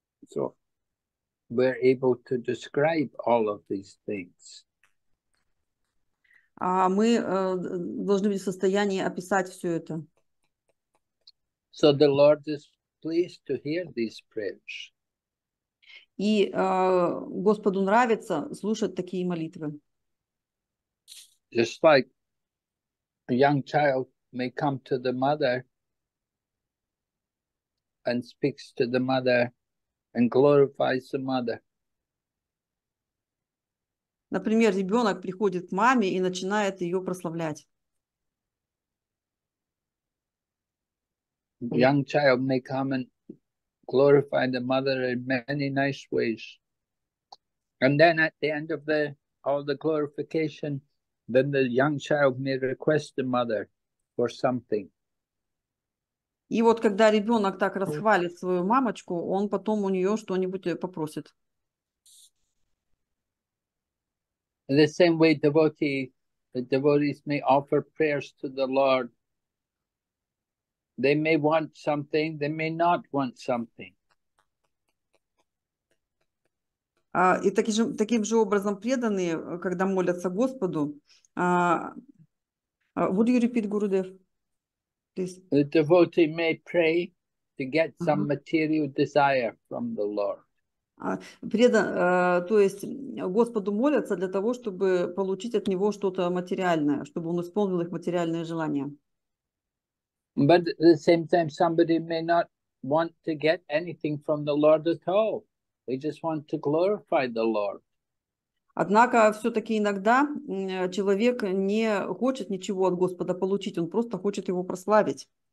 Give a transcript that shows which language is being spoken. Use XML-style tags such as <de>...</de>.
<en>So, we're able to describe all of these things.</en> <ru>А мы должны быть в состоянии описать все это.</ru> <en>So, the Lord is pleased to hear these prayers.</en> <ru>И Господу нравится слушать такие молитвы.</ru> <en>Just like a young child may come to the mother and speaks to the mother and glorifies the mother.</en> <ru>Например, ребенок приходит к маме и начинает ее прославлять.</ru> <en>Young child may come and glorify the mother in many nice ways. And then at the end of the all the glorification, then the young child may request the mother for something.</en> <ru>И вот когда ребенок так расхвалит свою мамочку, он потом у нее что-нибудь попросит.</ru> <en>In the same way, the devotees may offer prayers to the Lord. They may want something, they may not want something.</en> <ru>И таким же образом преданные, когда молятся Господу,</ru> <en>would you repeat, Gurudev? Please. The devotee may pray to get some material desire from the Lord.</en> <ru>То есть Господу молятся для того, чтобы получить от него что-то материальное, чтобы он исполнил их материальное желание.</ru> <en>But at the same time, somebody may not want to get anything from the Lord at all. They just want to glorify the Lord.</en> <ru>Однако все-таки иногда человек не хочет ничего от Господа получить, он просто хочет его прославить.</ru>